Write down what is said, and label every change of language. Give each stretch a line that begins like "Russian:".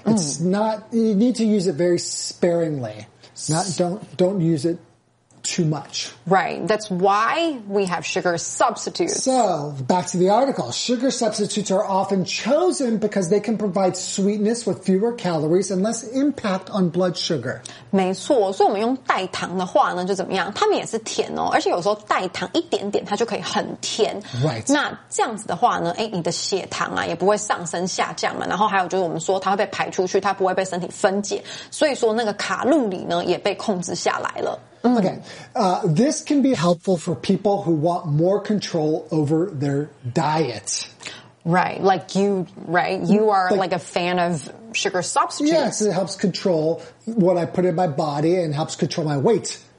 English: it's not, you need to use it very sparingly. Don't use it. Too much. Right. That's why we have sugar substitutes. So, back to the article. Sugar substitutes are often chosen because they can provide sweetness with fewer calories and less impact on blood sugar.
Chinese: 没错。所以我们用代糖的话呢，就怎么样？它们也是甜哦。而且有时候代糖一点点，它就可以很甜。
English: Right.
Chinese: 那这样子的话呢，哎，你的血糖啊，也不会上升下降嘛。然后还有就是我们说它会被排出去，它不会被身体分解。所以说那个卡路里呢，也被控制下来了。
English: Okay, this can be helpful for people who want more control over their diet. Right, like you, right? You are like a fan of sugar substitutes. Yes, it helps control what I put in my body and helps control my weight.